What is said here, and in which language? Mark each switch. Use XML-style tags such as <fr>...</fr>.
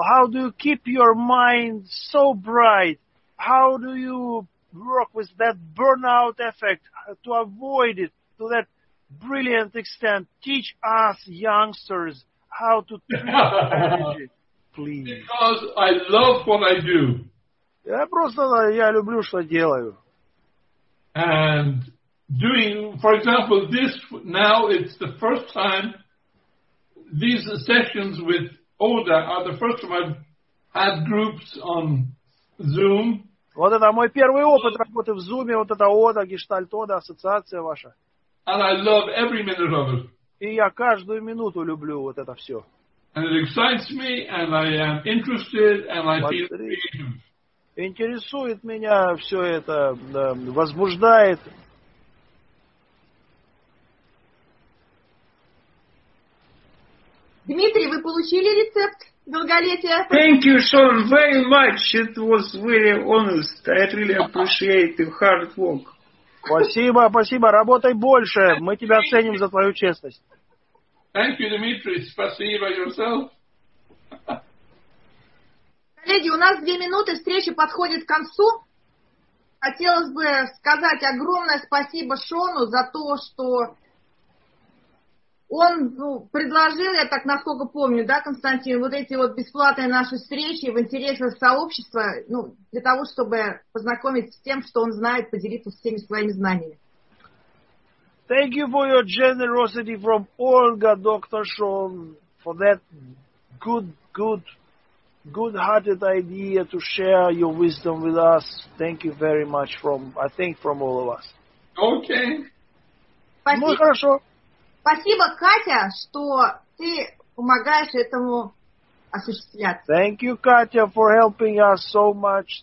<en>How do you keep your mind so bright? How do you work with that burnout effect to avoid it to that brilliant extent? Teach us youngsters how to treat energy, please. Because I love what I do.</en> <ru>Я просто я люблю что делаю.</ru> <en>And doing, for example, this now it's the first time these sessions with Oda are the first time I've had groups on Zoom.</en> <ru>Вот это мой первый опыт работы в Zoom, вот это Oda, Гештальт Oda, ассоциация ваша.</ru> <en>And I love every minute of it.</en> <ru>И я каждую минуту люблю вот это все.</ru> <en>And it excites me, and I am interested, and I feel creative.</en> <ru>Интересует меня все это, возбуждает. Дмитрий, вы получили рецепт долголетия?</ru> <en>Thank you, Sean, very much. It was really honest. I really appreciate your hard work.</en> <ru>Спасибо, спасибо. Работай больше. Мы тебя ценим за твою честность.</ru> <en>Thank you, Dmitry.</en> <ru>Спасибо,</ru> <en>yourself.</en> <ru>Коллеги, у нас две минуты, встреча подходит к концу. Хотелось бы сказать огромное спасибо Шону за то, что он предложил, я так насколько помню, да, Константин, вот эти вот бесплатные наши встречи в интересах сообщества, ну, для того, чтобы познакомиться с тем, что он знает, поделиться всеми своими знаниями.</ru> <en>Thank you for your generosity from Olga, Dr. Sean, for that good-hearted idea to share your wisdom with us. Thank you very much from all of us. Okay.</en> <ru>Спасибо. Ну, хорошо. Спасибо, Катя, что ты помогаешь этому осуществляться.</ru> <en>Thank you, Katya, for helping us so much.</en>